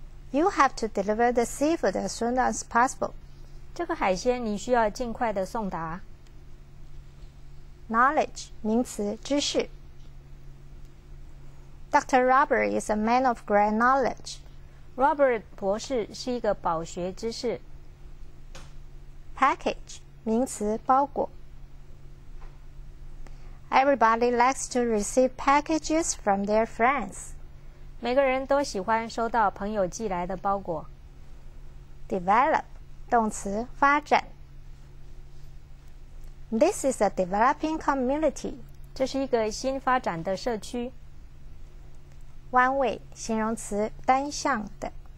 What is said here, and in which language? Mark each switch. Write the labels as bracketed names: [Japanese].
[English] You have to deliver the seafood as soon as possible. [Chinese] 这个海鲜你需要尽快的送达。 Knowledge 名词，知识。 [English] Dr. Robert is a man of great knowledge. [Chinese] Robert 博士是一个饱学之士。 Package 名词，包裹。 [English] Everybody likes to receive packages from their friends. [Chinese] 每个人都喜欢收到朋友寄来的包裹。 Develop 动词，发展。 [English] This is a developing community. [Chinese] 这是一个新发展的社区。 One way, 形容词，单向的。